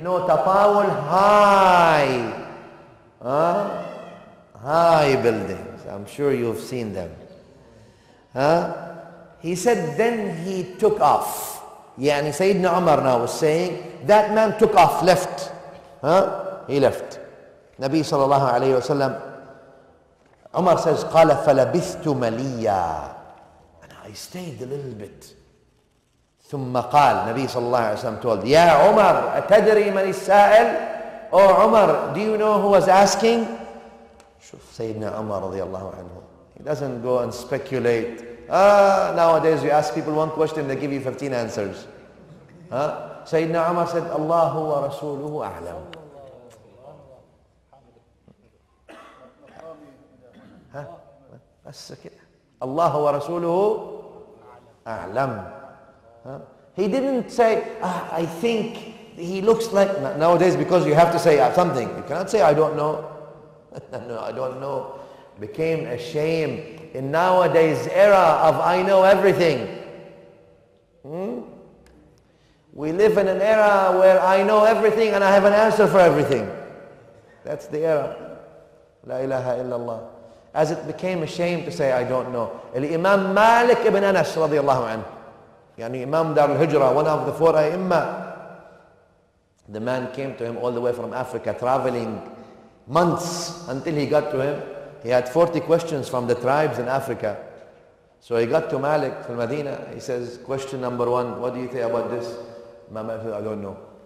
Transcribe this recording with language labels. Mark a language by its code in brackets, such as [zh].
[en] No, تطاول, high. High buildings. I'm sure you've seen them. He said, then he took off. يعني سيدنا عمر now was saying, that man took off, left. He left. [ar] نبي صلى الله عليه وسلم, عمر says, قال فلبثت مليا. [en] And I stayed a little bit. [ar] ثم قال نبي صلى الله عليه وسلم told, يا عمر أتدري من السائل؟ [en] Oh عمر, do you know who was asking? [ar] شوف سيدنا عمر رضي الله عنه. [en] He doesn't go and speculate. Nowadays you ask people one question, they give you 15 answers. [ar] سيدنا عمر said, الله ورسوله أعلم. بس كده. الله ورسوله أعلم. [en] He didn't say, I think he looks like... Nowadays, because you have to say something. You cannot say, I don't know. No, I don't know. Became a shame in nowadays era of I know everything. We live in an era where I know everything and I have an answer for everything. That's the era. [ar] La ilaha illallah. [en] As it became a shame to say, I don't know. Imam Malik ibn Anas, radiallahu anhu. [ar] يعني إمام دار الهجرة, [en] one of the four [ar] أئمة. [en] The man came to him all the way from Africa, traveling months until he got to him. He had 40 questions from the tribes in Africa. So he got to Malik from Medina. He says, question number one, what do you say about this? Malik says, I don't know.